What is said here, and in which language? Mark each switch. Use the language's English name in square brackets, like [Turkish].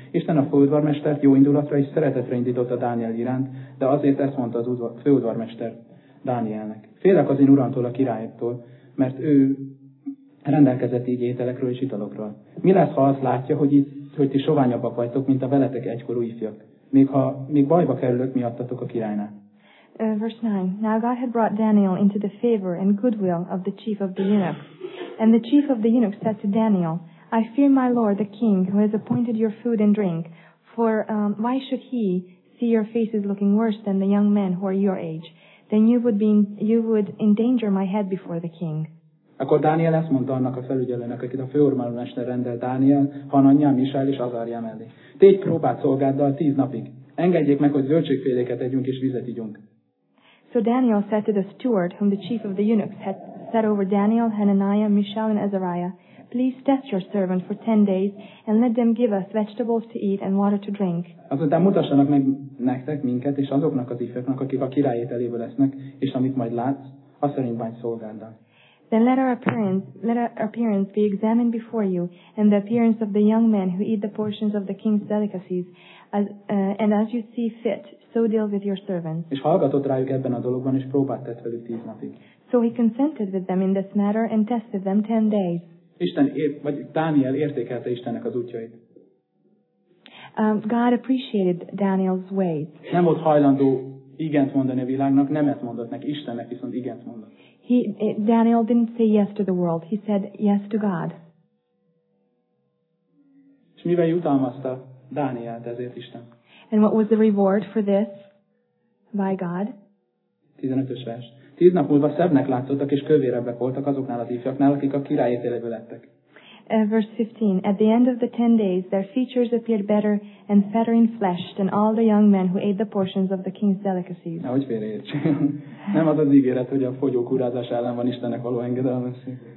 [Hungarian] Isten a főudvarmestert jó indulatra és szeretetre indította Dániel iránt, de azért ezt mondta az főudvarmester Dánielnek. Félek az én uramtól, a királytól, mert ő rendelkezett így ételekről és italokról. Mi lesz, ha azt látja, hogy ti soványabbak vagytok, mint a veletek egykorú ifjak, még bajba kerülök miattatok a királynál. [English] Verse 9. Now God had brought Daniel into the favor and goodwill of the chief of the eunuchs. And the chief of the eunuchs said to Daniel, I fear my lord, the king, who has appointed your food and drink, for why should he see your faces looking worse than the young men who are your age? Then you would endanger my head before the king. [Hungarian] Akkor Dániel ezt mondta annak a felügyelőnek, akit a főudvarmester rendelt, Dániel, Hananyá, Misáel és Azárjá mellé. Tégy próbát szolgáddal 10 napig. Engedjék meg, hogy zöldségféléket együnk és vizet igyunk. [English] So Daniel said to the steward, whom the chief of the eunuchs had set over Daniel, Hananiah, Mishael, and Azariah, please test your servant for 10 days and let them give us vegetables to eat and water to drink. [Hungarian] Azután mutassanak meg nektek, minket és azoknak az ifjaknak, akik a király ételéből lesznek, és amit majd látsz, az szerint bánj szolgáddal. [English] Then let our appearance be examined before you, and the appearance of the young men who eat the portions of the king's delicacies, as you see fit, so deal with your servants. [Hungarian] És hallgatott rájuk ebben a dologban, és próbát tett velük 10 napig. [English] So he consented with them in this matter and tested them 10 days. [Hungarian] Dániel értékelte Istennek az útjait. [English] God appreciated Daniel's ways. [Hungarian] Nem volt hajlandó igent mondani a világnak, nemet mondott neki, Istennek viszont igent mondott. [English] Daniel didn't say yes to the world. He said yes to God. [Hungarian] És mivel jutalmazta Dánielt ezért Isten? [English] And what was the reward for this by God? [Hungarian] 15-ös vers. 10 nap múlva szebbnek látszottak és kövérebbek voltak azoknál az ifjaknál, akik a király ételéből lettek. [English] verse 15, at the end of the 10 days, their features appeared better and fatter in flesh than all the young men who ate the portions of the king's delicacies. [Hungarian] Nehogy félreértsen. Nem az az ígéret, hogy a fogyók urázás ellen van Istennek való engedelmesség.